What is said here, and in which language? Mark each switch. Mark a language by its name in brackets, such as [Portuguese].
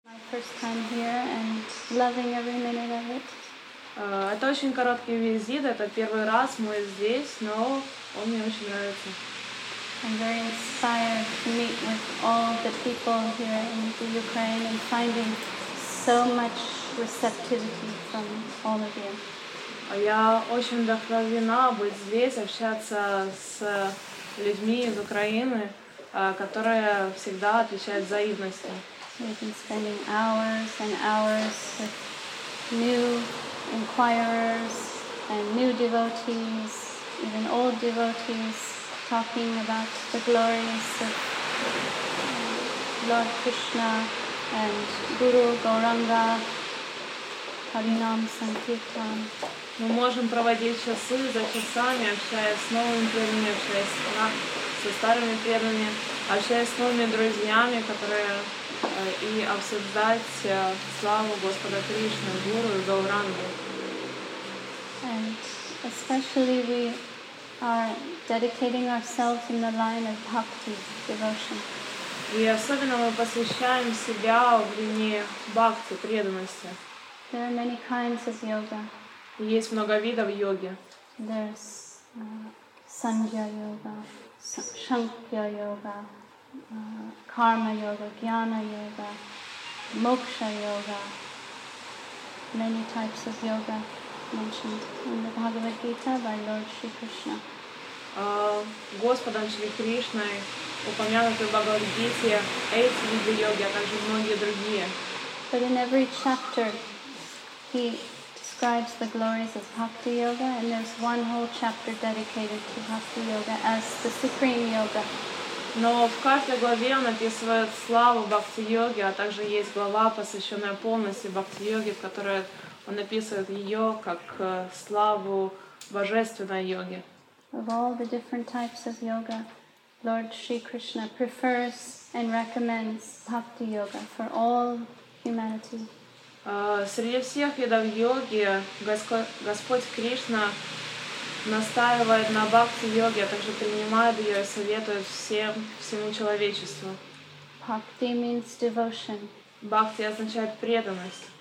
[English] First time here and loving every minute of it. [Russian] Это очень короткий визит, это первый раз мы здесь, но он мне очень нравится. [English] I'm very inspired to meet with all the people here in the Ukraine and finding so much receptivity from all of you. [Russian] Я очень вдохновлена быть здесь, общаться с людьми из Украины, которые всегда отвечают взаимностью. [English] We've been spending hours and hours with new inquirers and new devotees, even old devotees, talking about the glories of Lord Krishna and Guru Gauranga, Harinam Sankirtan. [Russian] Мы можем проводить часы за часами, общаясь с новыми преданными, общаясь со старыми преданными, общаясь с новыми друзьями, которые и обсуждать славу Господа Кришны, Гуру и Гауранги. [English] And especially we are dedicating ourselves in the line of bhakti, devotion. [Russian] И особенно мы посвящаем себя в линии бхакти, преданности. [English] There are many kinds of yoga. [Russian] Есть много видов йоги. [English] There's Sanghya yoga, Shankhya yoga, Karma yoga, Jnana yoga, Moksha yoga. Many types of yoga mentioned in the Bhagavad Gita by Lord Shri Krishna. [Russian] Господом Шри Кришной упомянуты в Бхагавад Гите эти виды йоги, а также многие другие. [English] But in every chapter, he describes the glories of Bhakti Yoga, and there's one whole chapter dedicated to Bhakti Yoga as the supreme yoga. [Russian] Но в каждой главе он описывает славу Бхакти Йоги, а также есть глава, посвященная полностью Бхакти Йоге, в которой он описывает ее как славу божественной йоги. [English] Of all the different types of yoga, Lord Shri Krishna prefers and recommends Bhakti Yoga for all humanity. [Russian] Среди всех видов йоги Господь Кришна настаивает на бхакти-йоге, а также принимает ее и советует всему человечеству. [English] Bhakti means devotion. [Russian] Бхакти означает преданность.